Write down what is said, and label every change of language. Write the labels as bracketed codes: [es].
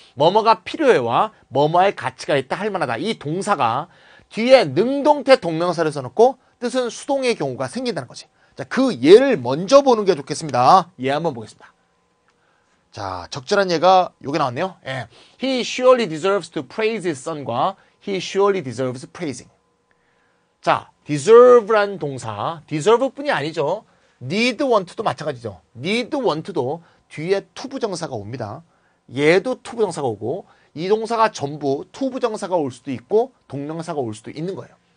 [ko] 뭐뭐가 필요해와 뭐뭐 할 가치가 있다, 할 만하다. 이 동사가 뒤에 능동태 동명사를 써놓고 뜻은 수동의 경우가 생긴다는 거지. 자, 그 예를 먼저 보는 게 좋겠습니다. 예, 한번 보겠습니다. 자, 적절한 예가 여기 나왔네요. 예. [en] He surely deserves to praise his son과 he surely deserves praising. [ko] 자, deserve란 동사, deserve뿐이 아니죠. need want도 마찬가지죠. need want도 뒤에 to 부정사가 옵니다. 얘도 to 부정사가 오고 이 동사가 전부 to 부정사가 올 수도 있고 동명사가 올 수도 있는 거예요.